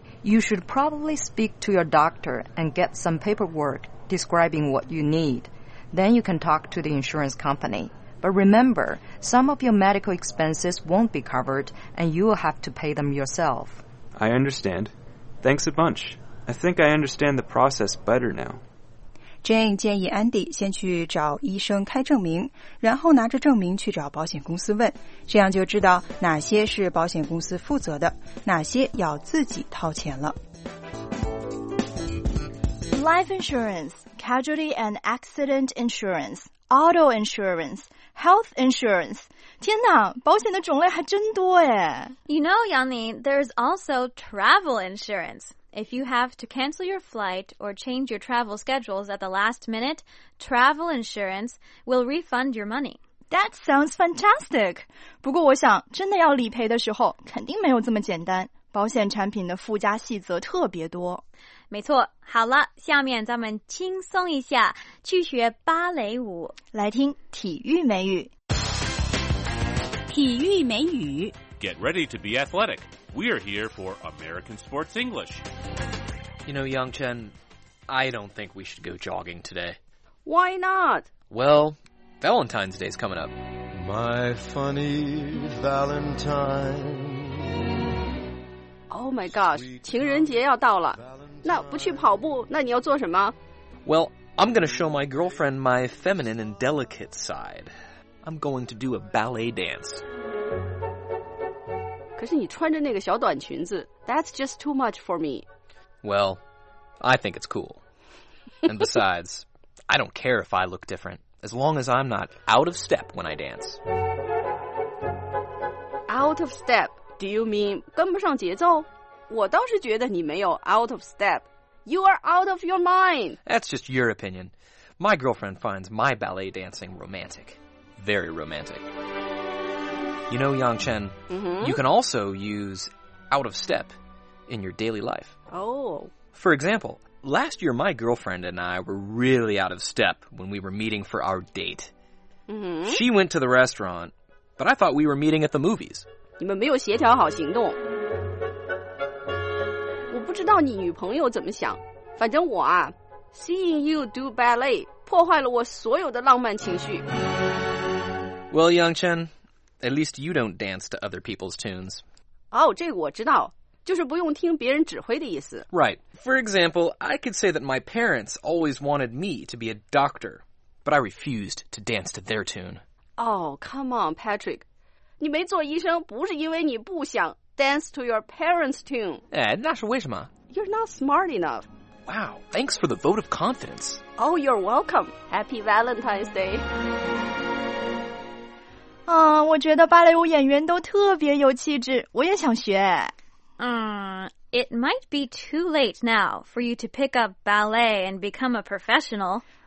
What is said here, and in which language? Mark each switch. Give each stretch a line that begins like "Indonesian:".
English: You should probably speak to your doctor and get some paperwork describing what you need. Then you can talk to the insurance company. But remember, some of your medical expenses won't be covered and you will have to pay them yourself. I understand. Thanks a bunch. I think I understand the process better now.
Chinese: Jane 建议 Andy 先去找医生开证明，然后拿着证明去找保险公司问，这样就知道哪些是保险公司负责的，哪些要自己掏钱了。
English: Life insurance, casualty and accident insurance, auto insurance, health insurance.
Chinese: 天哪，保险的种类还真多耶。
English: You know, Yanni, there's also travel insurance. If you have to cancel your flight or change your travel schedules at the last minute, travel insurance will refund your money. That sounds fantastic!
Chinese: 不过我想真的要理赔的时候肯定没有这么简单，保险产品的附加细则特别多。没错，好了，下面咱们轻松一下，去学芭蕾舞。来听体育美语。体育美语。
English: Get ready to be athletic. We are here for American Sports English. You know, Yangchen, I don't think we should go jogging today. Why not? Well, Valentine's Day is coming up. My funny Valentine. Oh my gosh,
Chinese: 情人节要到了。那不去跑步，那你要做什么？
English: Well, I'm going to show my girlfriend my feminine and delicate side. I'm going to do a ballet dance.
Chinese: 可是你穿着那个小短裙子
English: That's just too much for me. Well, I think it's cool. And besides, I don't care if I look different, as long as I'm not out of step when I dance. Out of step? Do you mean
Chinese: 跟不上节奏？我倒是觉得你没有 out of step.
English: You are out of your mind. That's just your opinion. My girlfriend finds my ballet dancing romantic. Very romantic. You know, Yangchen,、 mm-hmm. you can also use out of step in your daily life. Oh. For example, last year my girlfriend and I were really out of step when we were meeting for our date.、 Mm-hmm. She went to the restaurant, but I thought we were meeting at the movies.
Chinese: 你们没有协调好行动。我不知道你女朋友怎么想。反正我啊 ,
English: seeing you do ballet
Chinese: 破坏了我所有的浪漫情绪。
English: Well, Yangchen,At least you don't dance to other people's tunes.
Chinese: Oh, 这个我知道，就是不用听别人指挥的意思。
English: Right. For example, I could say that my parents always wanted me to be a doctor, but I refused to dance to their tune. Oh, come on, Patrick.
Chinese: 你没做医生不是因为你不想
English: dance to your parents' tune.
Chinese: 哎，那是为什么？
English: You're not smart enough. Wow, thanks for the vote of confidence. Oh, you're welcome. Happy Valentine's Day.
Chinese: 啊、我觉得芭蕾舞演员都特别有气质，我也想学。
English: It might be too late now for you to pick up ballet and become a professional.